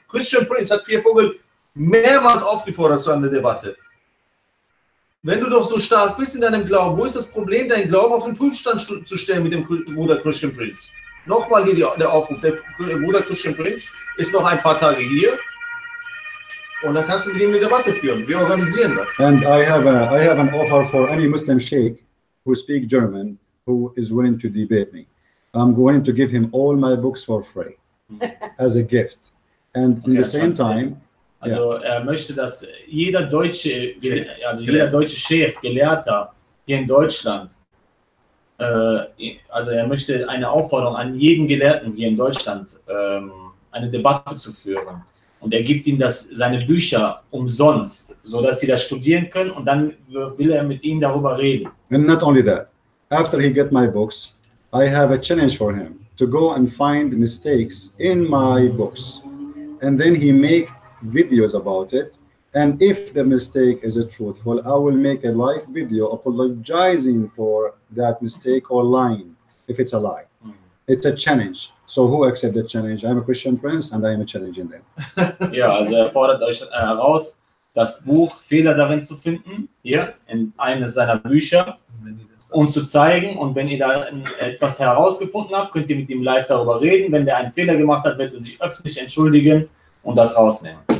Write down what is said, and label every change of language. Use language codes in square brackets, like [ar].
[de] Christian Prince hat Pierre Vogel mehrmals aufgefordert zu einer Debatte. Wenn du doch so stark bist in deinem Glauben, wo ist das Problem, deinen Glauben auf den Prüfstand zu stellen mit dem Bruder Christian Prince? Nochmal hier der Aufruf, der Bruder Christian Prince ist noch ein paar Tage hier und dann kannst du mit ihm eine Debatte führen. Wir organisieren das. [en] And I have an offer for any Muslim Sheikh who speaks German, who is willing to debate me. I'm going to give him all my books for free, as a gift. And in the same time, [de] also ja. Er möchte, dass jeder deutsche, jeder deutsche Sheikh, Gelehrter hier in Deutschland, also er möchte eine Aufforderung an jeden Gelehrten hier in Deutschland, eine Debatte zu führen. Und er gibt ihm das, seine Bücher umsonst, so dass sie das studieren können und dann will er mit ihnen darüber reden. [en] And not only that, after he get my books, I have a challenge for him to go and find mistakes in my books and then he make videos about it, and if the mistake is a truthful, I will make a live video apologizing for that mistake or lying if it's a lie. Mm-hmm. It's a challenge. So who accept the challenge? I'm a Christian Prince and I am a challenge in them. [de] Ja, also er fordert euch heraus, das Buch Fehler darin zu finden, hier in eines seiner Bücher und zu zeigen, und wenn ihr da etwas herausgefunden habt, könnt ihr mit ihm live darüber reden. Wenn der einen Fehler gemacht hat, wird er sich öffentlich entschuldigen und das rausnehmen.